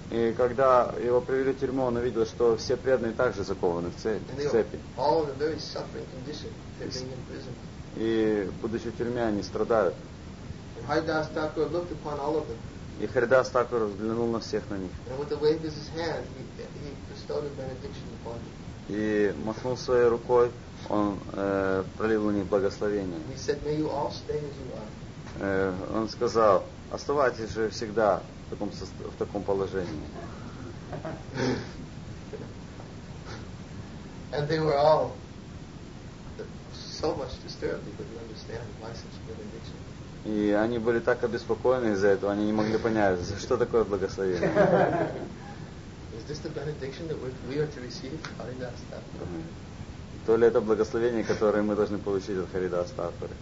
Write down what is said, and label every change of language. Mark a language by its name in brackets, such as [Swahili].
[Russian] И когда его привели в тюрьму, он увидел, что все преданные также закованы в цепи. [English] All in a very suffering condition, being imprisoned. [Russian] И будучи в тюрьме, они страдают. [English] Haridas Thakur looked upon all of them. [Russian] И Харидас Такур взглянул на всех на них. [English] And with the wave of his hand, he bestowed a benediction upon them. [Russian] И махнул своей рукой, он пролил на них благословение. [English] He said, "May you all stay as you are." [Russian] Он сказал, оставайтесь же всегда в таком положении. [English] And they were all so much disturbed, they couldn't understand why such benediction. [Russian] И они были так обеспокоены из-за этого, они не могли понять, что такое благословение. [English] Is this the benediction that we are to receive? Haridas Thakur. [Russian] То ли это благословение, которое мы должны получить от Харидас Такур?